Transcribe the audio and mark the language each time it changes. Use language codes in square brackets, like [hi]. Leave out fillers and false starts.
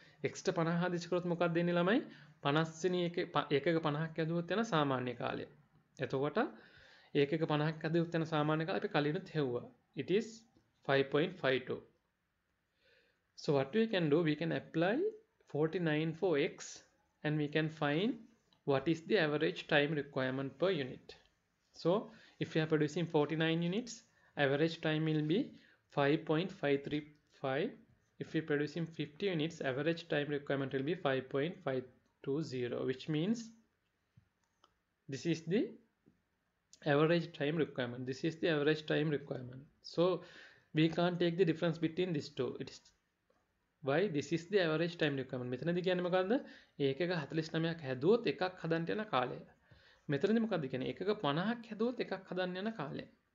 [si] Extra 50 ආදේශ කරොත් මොකක්ද දෙන්නේ ළමයි? 50 වෙනි එකක 50ක් ඇදුවොත් යන සාමාන්‍ය කාලය. එතකොට ඒකක 50ක් ඇදුවොත් යන සාමාන්‍ය කාලය අපි කලිනුත් හෙව්වා. [en] It is 5.52. So what we can do, we can apply 49 for x and we can find what is the average time requirement per unit. So if you are producing 49 units, average time will be 5.535. If we produce in 50 units, average time requirement will be 5.520, which means this is the average time requirement. This is the average time requirement. So we can't take the difference between these two. It is why this is the average time requirement. [si] මෙතනදී කියන්නේ මොකද්ද? ඒකක 49ක් හැදුවොත් එකක් හදන්න යන කාලය. මෙතනදී මොකද්ද කියන්නේ? ඒකක 50ක් හැදුවොත් එකක් හදන්න යන කාලය.